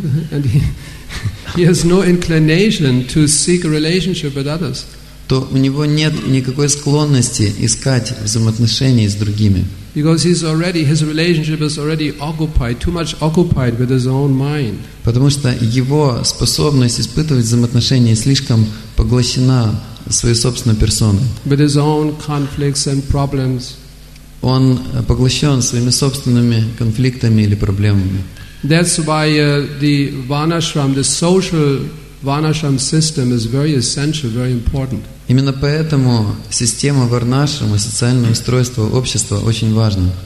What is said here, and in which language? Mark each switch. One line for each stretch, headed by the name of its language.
English: And he has no inclination to seek a relationship with others.
Russian: То у него нет никакой склонности искать взаимоотношений с другими.
English: Because he's already, his relationship is already occupied, too much occupied with his own mind.
Russian: Потому что его способность испытывать взаимоотношения слишком поглощена своей собственной персоной.
English: With his own conflicts and problems.
Russian: Он поглощен своими собственными конфликтами или проблемами.
English: That's why the Vanashram, the social Vanashram system is very essential, very important.
Russian: Именно поэтому система Варнашрама, социальное устройство общества, очень важна.